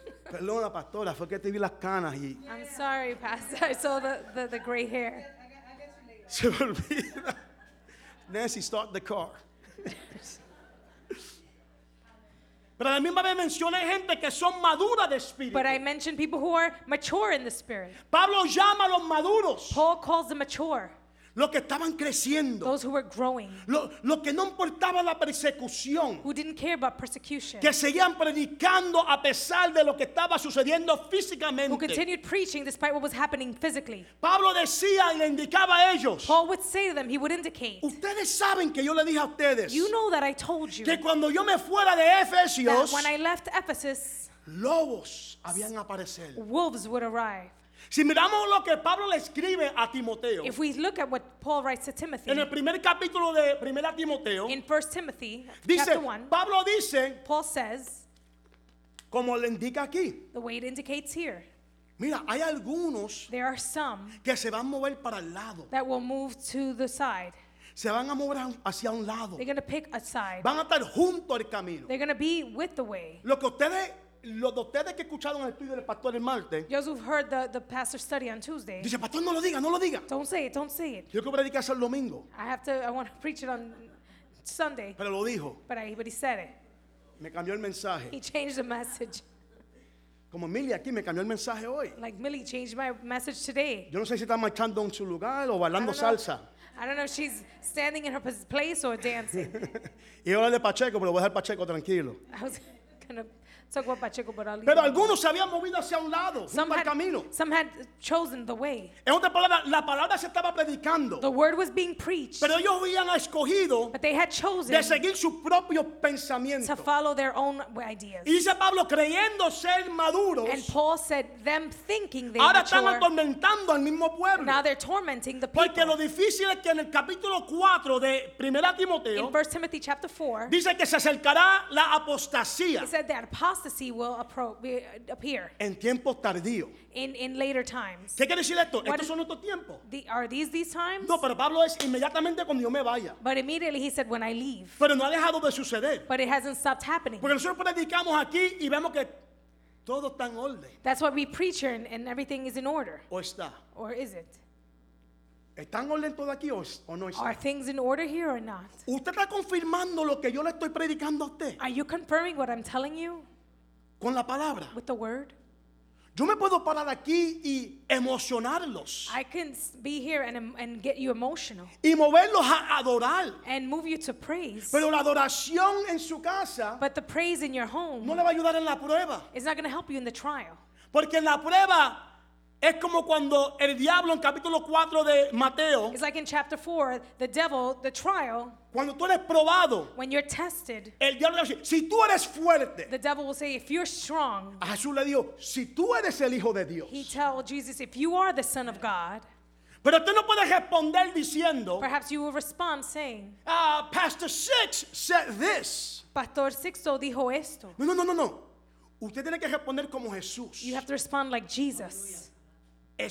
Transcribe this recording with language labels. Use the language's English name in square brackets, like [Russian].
[Spanish] Perdona, pastora, fue que te vi las canas y. [English] I'm sorry, pastor. I saw the gray hair. [Spanish] Se me olvida. Nancy, [English] start the car. [Spanish] Pero a la misma vez mencioné gente que son maduras de espíritu. [English] But I mentioned people who are mature in the spirit. [Spanish] Pablo llama a los maduros. [English] Paul calls the mature. [Spanish] Los que estaban creciendo. [English] Those who were growing. [Spanish] Los que no importaba la persecución. [English] Who didn't care about persecution. [Spanish] Que seguían predicando a pesar de lo que estaba sucediendo físicamente. [English] Who continued preaching despite what was happening physically. [Spanish] Pablo decía y le indicaba a ellos. [English] Paul would say to them, he would indicate. [Spanish] Ustedes saben que yo le dije a ustedes. [English] You know that I told you. [Spanish] Que cuando yo me fuera de Efesios. [English] That when I left Ephesus. [Spanish] Lobos habían aparecido. [English] Wolves would arrive. [Spanish] Si miramos lo que Pablo le escribe a Timoteo. [English] If we look at what Paul writes to Timothy. [Spanish] En el primer capítulo de Primera Timoteo. [English] In 1 Timothy, [Spanish] dice, [English] chapter 1. [Spanish] Pablo dice. [English] Paul says. [Spanish] Como le indica aquí. [English] The way it indicates here. [Spanish] Mira, hay algunos. [English] There are some. [Spanish] Que se van a mover para el lado. [English] That will move to the side. [Spanish] Se van a mover hacia un lado. [English] They're going to pick a side. [Spanish] Van a estar junto al camino. [English] They're going to be with the way. [Spanish] Lo que ustedes. Los de ustedes que escucharon el estudio del pastor el martes. [English] Those who've heard the pastor study on Tuesday. [Spanish] Dice, pastor, no lo diga, no lo diga. [English] Don't say it, don't say it. [Spanish] Yo quiero predicar el domingo. [English] I want to preach it on Sunday. [Spanish] Pero lo dijo. [English] But he said it. [Spanish] Me cambió el mensaje. [English] He changed the message. [Spanish] Como Millie aquí me cambió el mensaje hoy. [English] Like Millie changed my message today. [Spanish] Yo no sé si está marchando en su lugar o bailando salsa. [English] I don't know if she's standing in her place or dancing. [Spanish] Y yo le Pacheco, pero voy a dejar Pacheco tranquilo. [English] I was kind of talk about Pacheco, but I'll leave. [Spanish] Pero algunos se habían movido hacia un lado, [English] some had, [Spanish] camino. [English] Some had chosen the way. [Spanish] En otra palabra, la palabra se estaba predicando. [English] The word was being preached. [Spanish] Pero ellos habían escogido, [English] but they had chosen, [Spanish] de seguir su propio pensamiento. [English] To follow their own ideas. [Spanish] Y dice Pablo, creyendo ser maduros. [English] And Paul said, them thinking they [Spanish] ahora [English] mature. [Spanish] Ahora están atormentando al mismo pueblo. [English] Now they're tormenting the people. [Spanish] Porque lo difícil es que en el capítulo 4 de 1 Timoteo, [English] in 1 Timothy chapter 4, [Spanish] dice que se acercará la apostasía. [English] He said that apostasy will appear [Spanish] en tiempos tardíos. [English] In later times. [Spanish] ¿Qué quiere decir esto? Estos son otros tiempos. [English] Are these times? [Spanish] No, pero Pablo es inmediatamente cuando yo me vaya. [English] But immediately he said when I leave. [Spanish] Pero no ha dejado de suceder. [English] But it hasn't stopped happening. [Spanish] Porque nosotros predicamos aquí y vemos que todo está en orden. [English] That's what we preach here and everything is in order. [Spanish] ¿O está? [English] Or is it? [Spanish] ¿Están orden todo aquí o no está? [English] Are things in order here or not? [Spanish] ¿Usted está confirmando lo que yo le estoy predicando a usted? [English] Are you confirming what I'm telling you? [Spanish] Con la palabra. [English] With the word. [Spanish] Yo me puedo parar aquí y emocionarlos. [English] I can be here and get you emotional. [Spanish] Y moverlos a adorar. [English] And move you to praise. [Spanish] Pero la adoración en su casa. [English] But the praise in your home. [Spanish] No le va a ayudar en la prueba. [English] It's not going to help you in the trial. [Spanish] Porque en la prueba es como cuando el diablo en capítulo 4 de Mateo. [English] It's like in chapter 4, the devil, the trial. [Spanish] Cuando tú eres probado, [English] when you're tested, [Spanish] el diablo dice, si tú eres fuerte, [English] the devil will say, if you're strong, [Spanish] a Jesús le dijo, si tú eres el hijo de Dios, [English] he tells Jesus, if you are the son of God, [Spanish] pero tú no puedes responder diciendo, [English] perhaps you will respond saying, Pastor Six said this, [Spanish] Pastor Sixto dijo esto. No, usted tiene que responder como Jesús. [English] You have to respond like Jesus. Hallelujah.